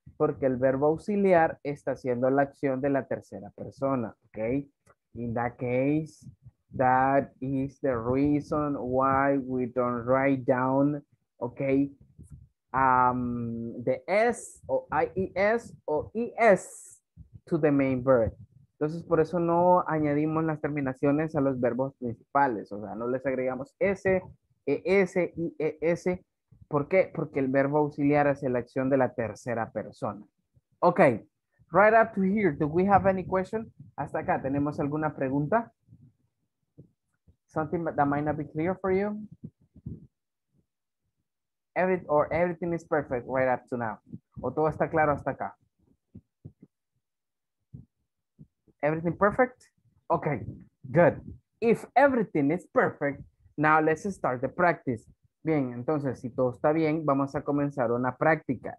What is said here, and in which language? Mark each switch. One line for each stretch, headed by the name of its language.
Spanish: Porque el verbo auxiliar está haciendo la acción de la tercera persona, okay?
English: In that case, that is the reason why we don't write down, okay, the S or IES or ES to the main verb.
Spanish: Entonces, por eso no añadimos las terminaciones a los verbos principales. O sea, no les agregamos S, ES, IES. ¿Por qué? Porque el verbo auxiliar hace la acción de la tercera persona.
English: Okay, right up to here. Do we have any question?
Spanish: Hasta acá, ¿tenemos alguna pregunta?
English: Something that might not be clear for you? Everything is perfect right up to now.
Spanish: ¿O todo está claro hasta acá?
English: Everything perfect? Okay, good. If everything is perfect, now let's start the practice.
Spanish: Bien, entonces, si todo está bien, vamos a comenzar una práctica.